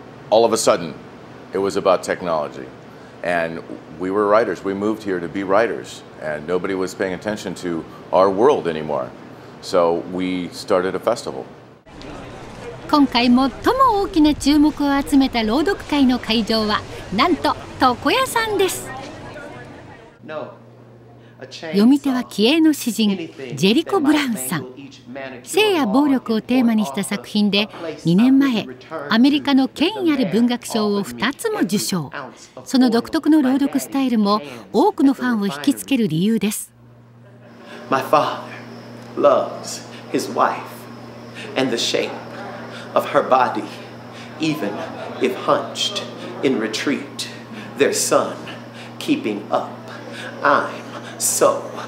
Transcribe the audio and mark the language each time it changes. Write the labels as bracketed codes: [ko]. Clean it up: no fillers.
[en] All of a sudden, it was about technology. And we were writers. We moved here to be writers. And nobody was paying attention to our world anymore. So we started a festival. [ja] 今回最も大きな注目を集めた朗読会の会場は、なんと床屋さんです。読み手は気鋭の詩人、ジェリコ・ブラウンさん。性や暴力をテーマにした作品で、2年前、アメリカの権威ある文学賞を2つも受賞。その独特の朗読スタイルも、多くのファンを引きつける理由です。 [en] My father loves his wife and the shape. Of her body, even if hunched in retreat, their son keeping up. I'm so